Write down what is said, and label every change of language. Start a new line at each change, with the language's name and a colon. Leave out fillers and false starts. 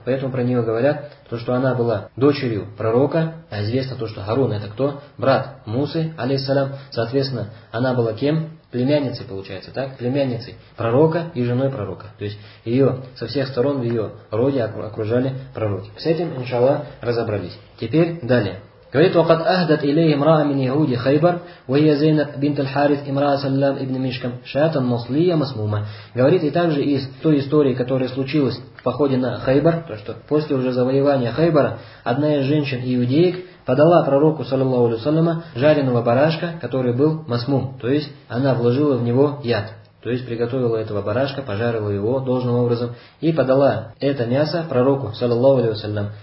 Russian: Поэтому про нее говорят, то, что она была дочерью пророка, а известно то, что Харун это кто? Брат Мусы, алейхиссалям. Соответственно, она была кем? Племянницей, получается, так? Племянницей пророка и женой пророка. То есть ее со всех сторон в ее роде окружали пророки. С этим, иншаллах, разобрались. Теперь далее. Говорит,
Arabic: وقد أهدت إليه امرأة من يهود خيبر وهي زينب بنت الحارث امرأة سلام ابن مشكم شاتا مصلية مسمومة.
Russian: Говорит, и также из той истории, которая случилась в походе на Хайбар, то что после уже завоевания Хайбара одна из женщин иудеек подала пророку, саллаллаху алейхи ва саллям, жареного барашка, который был масмум, то есть она вложила в него яд. То есть приготовила этого барашка, пожарила его должным образом и подала это мясо пророку, саллаллаху алейхи ва саллям.